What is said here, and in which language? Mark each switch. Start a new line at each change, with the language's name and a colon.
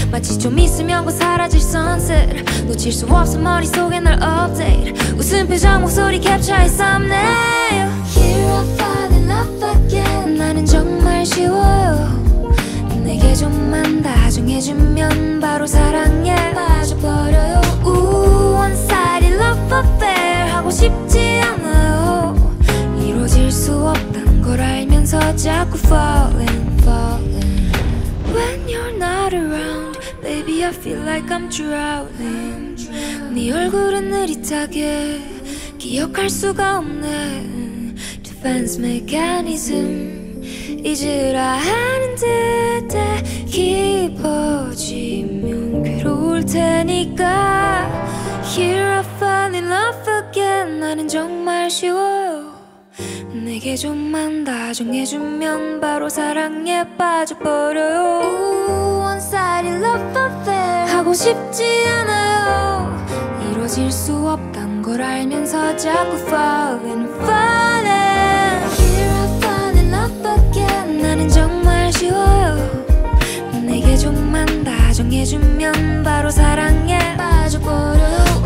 Korean: 마치 좀 있으면 곧 사라질 sunset. 놓칠 수 없어 머릿속에 널 update. 웃음 표정 목소리 캡처해 썸네일.
English: Here I fall in love again.
Korean: 나는 정말 쉬워요. 내게 좀만 다정해주면 바로 사랑에 빠져버려요.
English: Ooh, one-sided love affair
Korean: 하고 싶지 않아요. 이루어질 수 없단 걸 알면서 자꾸 falling.
English: When you're not around, baby, I feel like I'm drowning.
Korean: 네 얼굴은 느릿하게 기억할 수가 없네.
English: Defense mechanism
Korean: 잊으라 하는 듯해 깊어지면 괴로울 테니까.
English: Here I fall in love again.
Korean: 나는 정말 쉬워요. 내게 좀만 다정해주면 바로 사랑에 빠져버려요.
English: Ooh, one-sided love affair
Korean: 하고 싶지 않아요. 이루어질 수 없단 걸 알면서 자꾸
English: falling, falling. Here I fall in love again.
Korean: 나는 정말 쉬워요. 내게 좀만 다정해주면 바로 사랑에 빠져버려요.